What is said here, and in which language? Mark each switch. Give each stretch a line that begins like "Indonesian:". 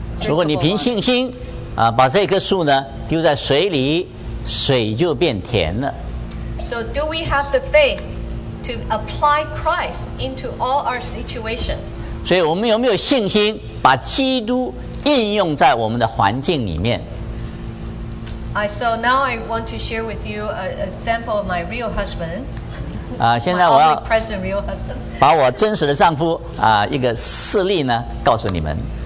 Chinese: 如果你凭信心，啊，把这棵树呢丢在水里，水就变甜了。
English: So do we have the faith to apply Christ into all our situation?
Chinese: 所以我们有没有信心把基督应用在我们的环境里面？
English: So now I want to share with you an example of my real husband.
Chinese: 啊，现在我要
English: present real husband
Chinese: 把我真实的丈夫啊一个事例呢告诉你们。